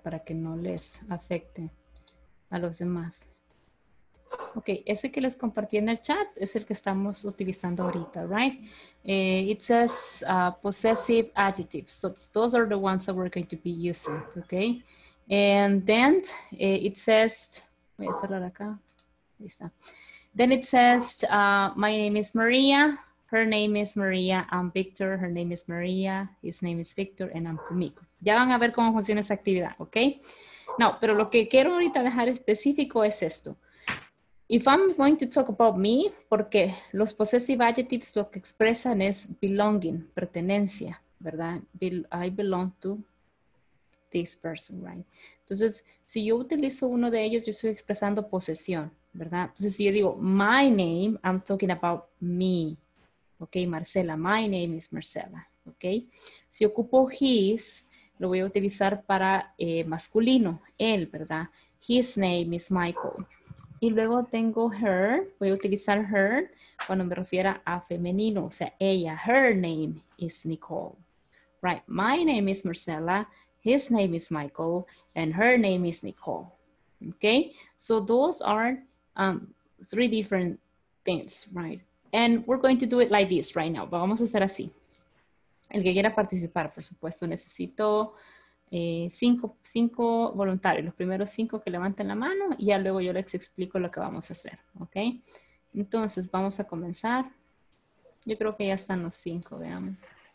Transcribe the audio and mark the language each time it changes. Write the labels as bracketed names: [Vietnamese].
[Spanish] Para que no les afecte a los demás. Ok, ese que les compartí en el chat es el que estamos utilizando ahorita, right? [English] It says possessive adjectives. So those are the ones that we're going to be using, ok? And then it says, [Spanish] voy a cerrar acá, ahí está. [English] Then it says, my name is Maria. Her name is Maria, I'm Victor, her name is Maria, his name is Victor, and I'm conmigo. [Spanish] Ya van a ver cómo funciona esa actividad, ¿ok? No, pero lo que quiero ahorita dejar específico es esto. [English] If I'm going to talk about me, [Spanish] porque los [English] possessive adjectives [Spanish] lo que expresan es [English] belonging, [Spanish] pertenencia, ¿verdad? [English] I belong to this person, right? [Spanish] Entonces, si yo utilizo uno de ellos, yo estoy expresando posesión, ¿verdad? Entonces, si yo digo [English] my name, I'm talking about me. Ok, Marcela, my name is Marcela, ok. [Spanish] Si ocupo his, lo voy a utilizar para masculino, él, ¿verdad? [English] His name is Michael. [Spanish] Y luego tengo her, voy a utilizar her cuando me refiera a femenino, o sea, ella, [English] her name is Nicole. Right, my name is Marcela, his name is Michael, and her name is Nicole. Ok, so those are three different things, right? And we're going to do it like this right now. [Spanish] Vamos a hacer así. El que quiera participar, por supuesto, necesito cinco voluntarios. Los primeros cinco que levanten la mano y ya luego yo les explico lo que vamos a hacer. ¿Ok? Entonces, vamos a comenzar. Yo creo que ya están los cinco, veamos.